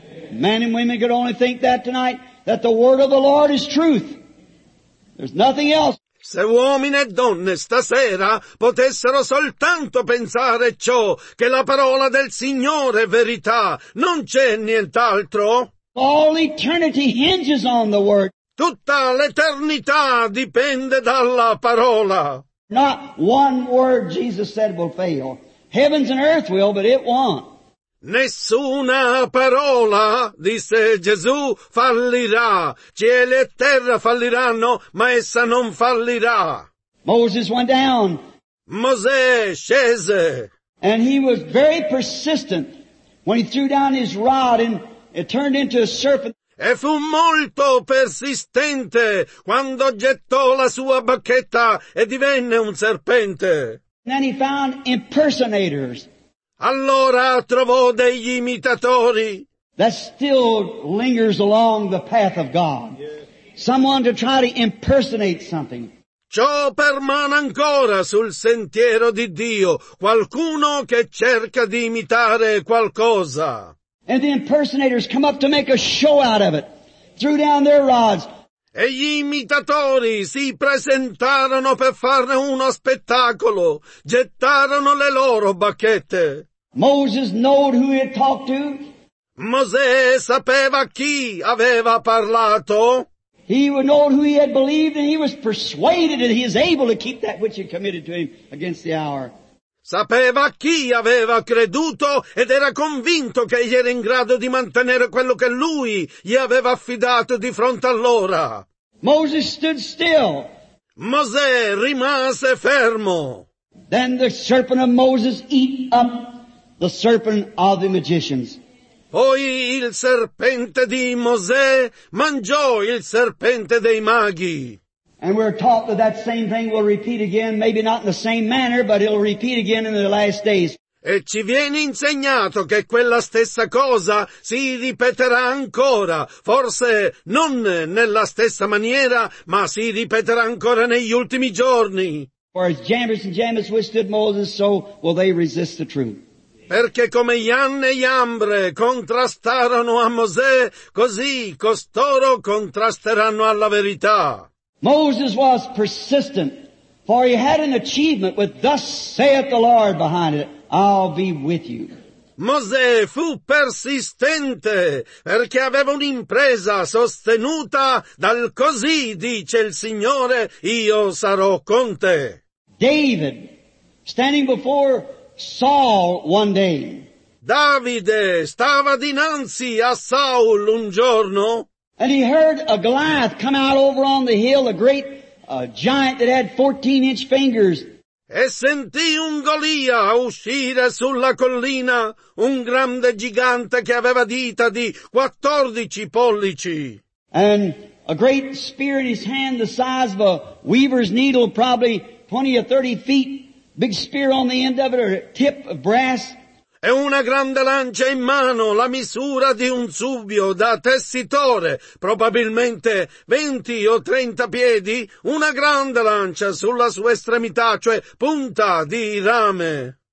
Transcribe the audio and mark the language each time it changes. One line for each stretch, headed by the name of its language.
English: Men and women could only think that tonight. That the word of the Lord is truth. There's nothing else.
Italian: Se uomini e donne stasera potessero soltanto pensare ciò, che la parola del Signore è verità, non c'è nient'altro.
English: All eternity hinges on the word.
Italian: Tutta l'eternità dipende dalla parola.
English: Not one word Jesus said will fail. Heavens and earth will, but it won't.
Italian: Nessuna parola, disse Gesù, fallirà. Cielo e terra falliranno, ma essa non fallirà.
English: Moses went down.
Italian: Mosè scese.
English: And he was very persistent when he threw down his rod and it turned into a serpent.
Italian: E fu molto persistente quando gettò la sua bacchetta e divenne un serpente.
English: And then he found impersonators.
Italian: allora trovò degli imitatori.
English: That still lingers along the path of God. Someone to try to impersonate something.
Italian: Ciò permane ancora sul sentiero di Dio, qualcuno che cerca di imitare qualcosa.
English: And the impersonators come up to make a show out of it, threw down their rods.
Italian: E gli imitatori si presentarono per farne uno spettacolo, gettarono le loro bacchette.
English: Moses knowed who he had talked to.
Italian: Mosè sapeva chi aveva parlato.
English: He would know who he had believed, and he was persuaded that he is able to keep that which he committed to him against the hour.
Italian: Sapeva chi aveva creduto ed era convinto che egli era in grado di mantenere quello che lui gli aveva affidato di fronte all'ora.
English: Moses stood still.
Italian: Mosè rimase fermo.
English: Then the serpent of Moses eat up the serpent of the magicians.
Italian: Poi il serpente di Mosè mangiò il serpente dei maghi.
English: And we're taught that that same thing will repeat again, maybe not in the same manner, but it'll repeat again in the last days.
Italian: E ci viene insegnato che quella stessa cosa si ripeterà ancora, forse non nella stessa maniera, ma si ripeterà ancora negli ultimi giorni.
English: For as Jambres and Jambres withstood Moses, so will they resist the truth.
Italian: Perché come Ian e Iambre contrastarono a Mosè, così costoro contrasteranno alla verità.
English: Moses was persistent, for he had an achievement with "Thus saith the Lord" behind it. I'll be with you.
Italian: Mosè fu persistente perché aveva un'impresa sostenuta dal "Così dice il Signore, io sarò con te."
English: David, standing before Saul one day.
Italian: Davide stava dinanzi a Saul un giorno.
English: And he heard a Goliath come out over on the hill, a great giant that had 14-inch fingers.
Italian: E sentì un Golia uscire sulla collina, un grande gigante che aveva dita di 14 pollici.
English: And a great spear in his hand the size of a weaver's needle, probably 20 or 30 feet, big spear on the end of it, or tip of brass.
Italian: E una grande lancia in mano, la misura di un subbio da tessitore, probabilmente 20 o 30 piedi, una grande lancia sulla sua estremità, cioè punta di rame.